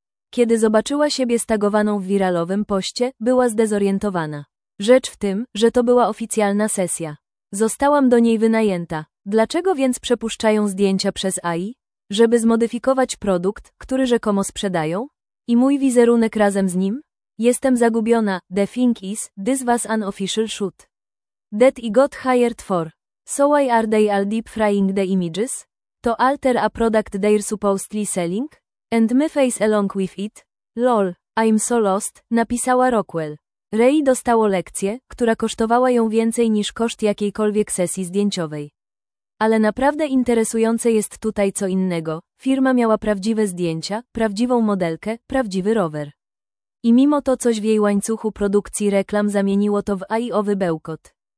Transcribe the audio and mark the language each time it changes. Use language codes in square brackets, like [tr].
[pl] Kiedy zobaczyła siebie stagowaną w wiralowym poście, była zdezorientowana. Rzecz w tym, że to była oficjalna sesja. Zostałam do niej wynajęta. Dlaczego więc przepuszczają zdjęcia przez AI? Żeby zmodyfikować produkt, który rzekomo sprzedają? I mój wizerunek razem z nim? Jestem zagubiona. [en] The thing is, this was an official shoot. That I got hired for. So why are they all deep frying the images? To alter a product they're supposedly selling? And my face along with it? Lol, I'm so lost, [pl] napisała [en] Rockwell. [pl] Rei dostało lekcję, która kosztowała ją więcej niż koszt jakiejkolwiek sesji zdjęciowej. Ale naprawdę interesujące jest tutaj co innego. Firma miała prawdziwe zdjęcia, prawdziwą modelkę, prawdziwy rower. I mimo to coś w jej łańcuchu produkcji reklam zamieniło to w AI-owy bełkot.